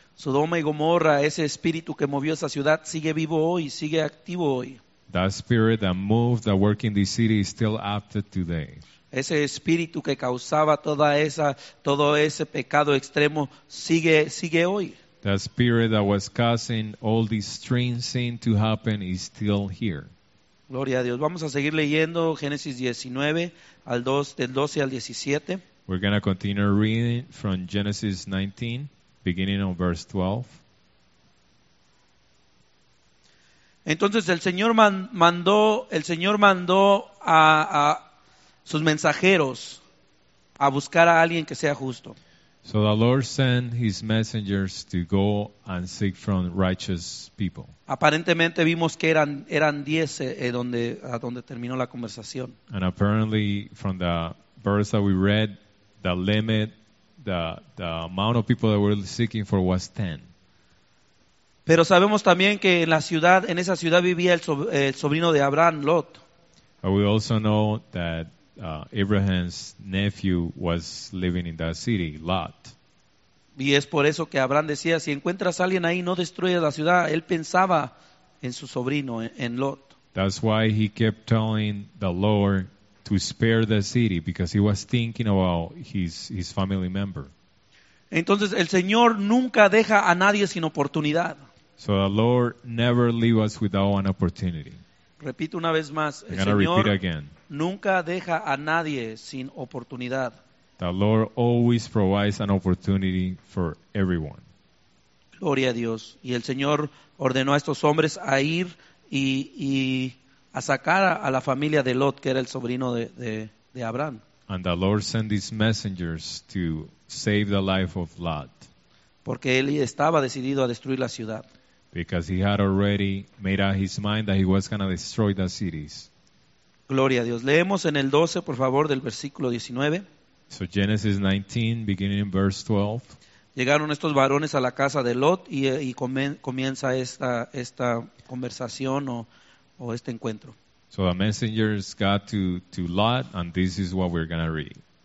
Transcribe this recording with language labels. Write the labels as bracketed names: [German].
[Spanish] Sodoma y Gomorra, ese espíritu que movió esa ciudad sigue vivo hoy, sigue activo hoy. [English] That spirit that moved, that worked in this city is still active today. [Spanish] Ese espíritu que causaba todo ese pecado extremo sigue hoy. [English] That spirit that was causing all these strange things to happen is still here. [Spanish] Gloria a Dios. Vamos a seguir leyendo Génesis 19, del 12 al 17. [English] We're going to continue reading from Genesis 19, beginning on verse 12. [Spanish] Entonces el Señor mandó a sus mensajeros a buscar a alguien que sea justo. [English] So the Lord sent his messengers to go and seek from righteous people. [Spanish] Aparentemente vimos que eran 10 donde terminó la conversación. [English] And apparently from the verse that we read, the limit, the amount of people that were seeking for was 10. [Spanish] Pero sabemos también que en esa ciudad vivía el sobrino de Abraham, Lot. [English] But we also know that Abraham's nephew was living in that city, Lot. [Spanish] Y es por eso que Abraham decía, si encuentras a alguien ahí, no destruyas la ciudad. Él pensaba en su sobrino, en Lot. [English] That's why he kept telling the Lord to spare the city, because he was thinking about his family member. [Spanish] Entonces, el Señor nunca deja a nadie sin oportunidad. [English] So the Lord never leaves us without an opportunity. [Spanish] Repito una vez más, el Señor nunca deja a nadie sin oportunidad. [English] The Lord always provides an opportunity for everyone. [Spanish] Gloria a Dios. Y el Señor ordenó a estos hombres a ir y a sacar a la familia de Lot, que era el sobrino de Abraham. [English] And the Lord sent these messengers to save the life of Lot. [Spanish] Porque él estaba decidido a destruir la ciudad. [English] Because he had already made up his mind that he was going to destroy the cities. [Spanish] Gloria a Dios. Leemos en el 12, por favor, del versículo 19. [English] So Genesis 19, beginning in verse 12. [Spanish] Llegaron estos varones a la casa de Lot y comienza esta conversación o este encuentro. [English] So the messengers got to Lot, and this is what we're going to read.